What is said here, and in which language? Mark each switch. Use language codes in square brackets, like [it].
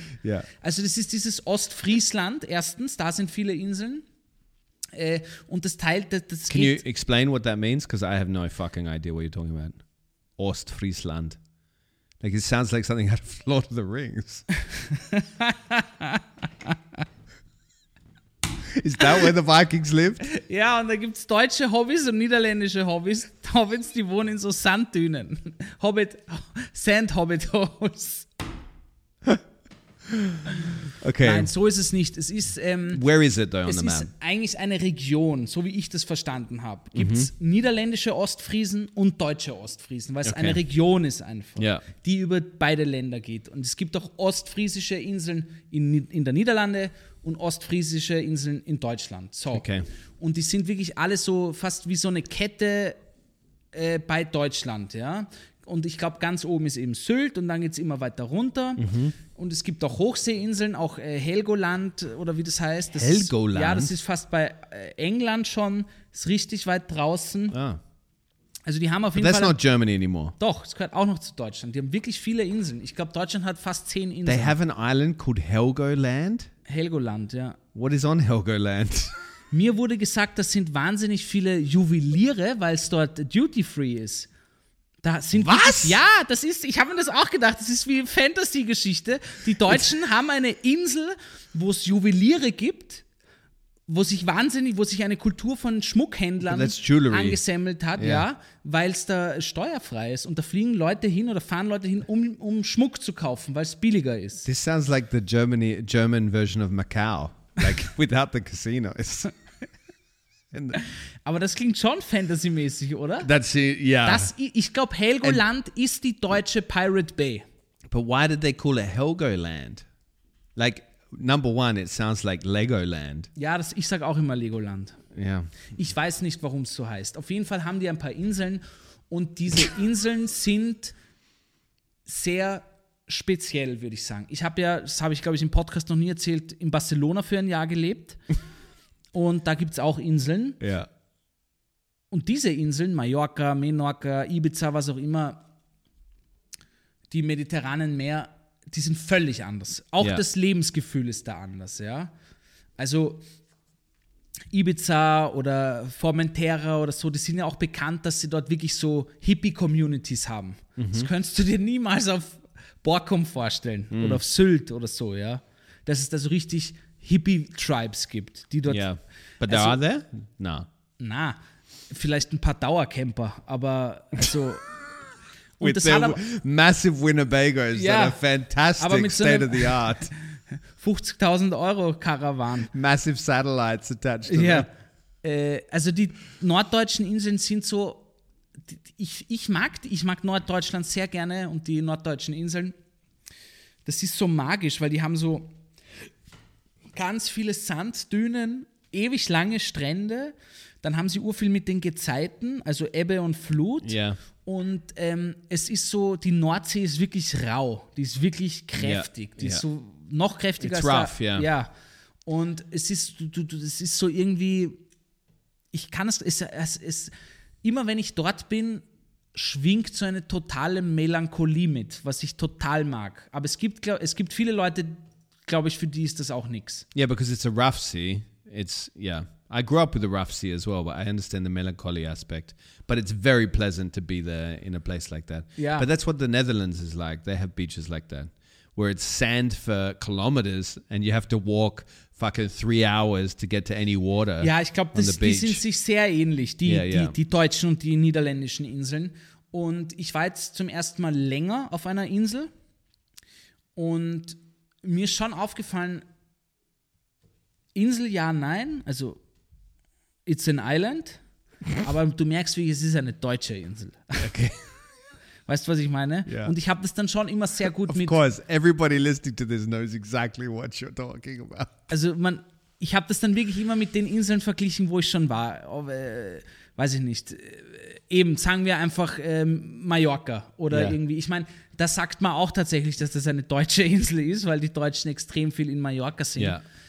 [en] Yeah. [de] Also das ist dieses Ostfriesland, erstens, da sind viele Inseln. Und das teilt... Das [en] Can you explain what that means? Because I have no fucking idea what you're talking about. Ostfriesland. Like, it sounds like something out of Lord of the Rings. Is that where the Vikings lived? [de] Ja, und da gibt es deutsche Hobbits und niederländische Hobbits. Hobbits, die wohnen in so Sanddünen. [en] Sand-Hobbit-Holes. Okay. [de] Nein, so ist es nicht. Es ist... [en] where is it, though, on [de] es [en] the map? [de] Es ist eigentlich eine Region, so wie ich das verstanden habe. Gibt es niederländische Ostfriesen und deutsche Ostfriesen, weil es eine Region ist einfach, die über beide Länder geht. Und es gibt auch ostfriesische Inseln in der Niederlande und ostfriesische Inseln in Deutschland. So. Okay. Und die sind wirklich alle so fast wie so eine Kette bei Deutschland. Ja. Und ich glaube, ganz oben ist eben Sylt und dann geht es immer weiter runter. Mhm. Und es gibt auch Hochseeinseln, auch Helgoland oder wie das heißt. Das Helgoland? Ist, ja, das ist fast bei England schon, ist richtig weit draußen. Ja. Also die haben auf jeden Fall... [en] But that's not Germany anymore. [de] Doch, es gehört auch noch zu Deutschland. Die haben wirklich viele Inseln. Ich glaube, Deutschland hat fast 10 Inseln. [en] They have an island called Helgoland? [de] Helgoland, ja. [en] What is on Helgoland? [de] Mir wurde gesagt, das sind wahnsinnig viele Juweliere, weil es dort duty-free ist. Da sind was? Wirklich, ja, das ist. Ich habe mir das auch gedacht. Das ist wie Fantasy-Geschichte. Die Deutschen haben eine Insel, wo es Juweliere gibt, wo sich eine Kultur von Schmuckhändlern angesammelt hat, yeah. Ja, weil es da steuerfrei ist und da fliegen Leute hin oder fahren Leute hin, um Schmuck zu kaufen, weil es billiger ist. [en] This sounds like the German version of Macau, like without the casinos. [de] Aber das klingt schon fantasymäßig, oder? [en] That's it, yeah. [de] Ich glaube, Helgoland ist die deutsche Pirate Bay. [en] But why did they call it Helgoland? Like, number one, it sounds like Legoland. [de] Ja, ich sage auch immer Legoland. [en] Yeah. [de] Ich weiß nicht, warum es so heißt. Auf jeden Fall haben die ein paar Inseln und diese Inseln sind sehr speziell, würde ich sagen. Ich habe ja, das habe ich, glaube ich, im Podcast noch nie erzählt, in Barcelona für ein Jahr gelebt. Und da gibt es auch Inseln. Ja. Und diese Inseln, Mallorca, Menorca, Ibiza, was auch immer, die mediterranen Meer, die sind völlig anders. Auch ja. Das Lebensgefühl ist da anders, ja. Also Ibiza oder Formentera oder so, die sind ja auch bekannt, dass sie dort wirklich so Hippie-Communities haben. Mhm. Das könntest du dir niemals auf Borkum vorstellen oder auf Sylt oder so, ja. Dass es da so richtig Hippie-Tribes gibt, die dort... [en] Yeah. But also, are there? No. [de] Na, vielleicht ein paar Dauercamper, aber also... [en] With their massive Winnebagos, yeah, that are fantastic, state-of-the-art. [de] 50.000 Euro Karawan. [en] Massive satellites attached to, yeah, them. [de] Also die norddeutschen Inseln sind so... Ich mag Norddeutschland sehr gerne und die norddeutschen Inseln. Das ist so magisch, weil die haben so... ganz viele Sanddünen, ewig lange Strände, dann haben sie urviel mit den Gezeiten, also Ebbe und Flut, [en] yeah, [de] und es ist so, die Nordsee ist wirklich rau, die ist wirklich kräftig, yeah, die, yeah, ist so noch kräftiger. [en] It's [de] als [en] rough, [de] da, [en] yeah, [de] ja, und es ist, es ist so irgendwie, ich kann es, immer wenn ich dort bin, schwingt so eine totale Melancholie mit, was ich total mag, aber es gibt viele Leute, glaube ich, für die ist das auch nichts. [en] Yeah, because it's a rough sea. It's, yeah. I grew up with a rough sea as well, but I understand the melancholy aspect. But it's very pleasant to be there in a place like that. Yeah. But that's what the Netherlands is like. They have beaches like that, where it's sand for kilometers and you have to walk fucking 3 hours to get to any water. [de] Ja, ich glaube, die sind sich sehr ähnlich, die deutschen und die niederländischen Inseln. Und ich war jetzt zum ersten Mal länger auf einer Insel und mir ist schon aufgefallen, Insel ja, nein, also [en] it's an island, [de] aber du merkst, wie es ist eine deutsche Insel. [en] Okay. [de] Weißt du, was ich meine? [en] Yeah. [de] Und ich habe das dann schon immer sehr gut [en] of [de] mit... [en] Of course, everybody listening to this knows exactly what you're talking about. [de] Also ich habe das dann wirklich immer mit den Inseln verglichen, wo ich schon war. Weiß ich nicht. Eben, sagen wir einfach Mallorca oder, yeah, irgendwie. Ich meine, das sagt man auch tatsächlich, dass das eine deutsche Insel ist, weil die Deutschen extrem viel in Mallorca sind. [en] Yeah.